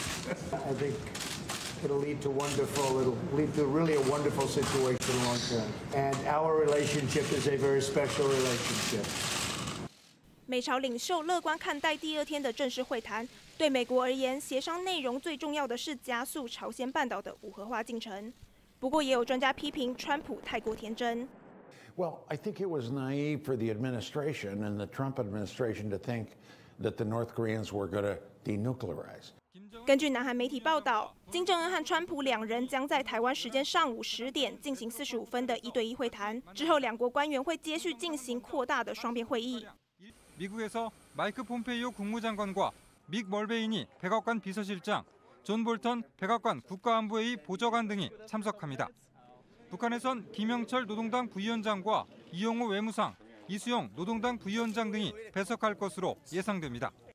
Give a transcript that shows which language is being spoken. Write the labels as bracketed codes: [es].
[en] I think it'll lead to wonderful, it'll lead to really a wonderful situation long term. And our relationship is a very special relationship. [zh] 美朝领袖乐观看待第二天的正式会谈。对美国而言，协商内容最重要的是加速朝鲜半岛的无核化进程。不过也有专家批评川普太过天真。 [en] Well, I think it was naive for the administration and the Trump administration to think that the North Koreans were going to denuclearize. [zh] 根据南韩媒体报道，金正恩和川普两人将在台湾时间上午10点进行45分的一对一会谈，之后两国官员会接续进行扩大的双边会议。 [ko] 미국에서마이크폼페이오국무장관과믹멀베이니백악관비서실장존볼턴백악관국가안보회의보좌관등이참석합니다북한에선김영철노동당부위원장과이용호외무상이수용노동당부위원장등이배석할것으로예상됩니다